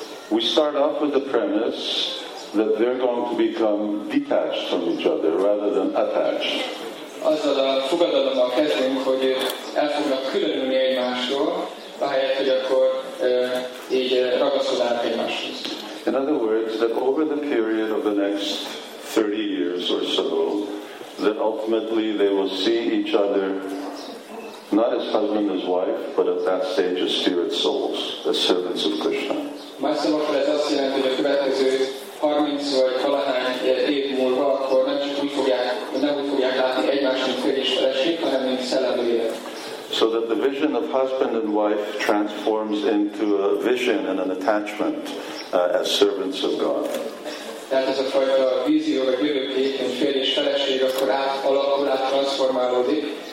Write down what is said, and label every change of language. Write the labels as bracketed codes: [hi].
[en] We start off with the premise that they're going to become detached from each other rather than attached. [hu] Azzal a fogadalommal kezdünk, hogy el fognak különülni egymásról, ahelyett, hogy akkor így ragaszkodnak egymáshoz. [en] In other words, that over the period of the next 30 years or so, that ultimately they will see each other not as husband and wife, but at that stage as spirit souls, as servants of Krishna. [hu] Más szavakkal ez azt jelenti, hogy a következő 30 vagy valahány év múlva akkor nem úgy fogják látni egymást, mint férj és feleség, hanem mint szellemileg. [en] So that the vision of husband and wife transforms into a vision and an attachment as servants of God. [hu] Tehát ez a fajta vízió vagy jövőkép, mint férj és feleség, akkor alakulát transformálódik.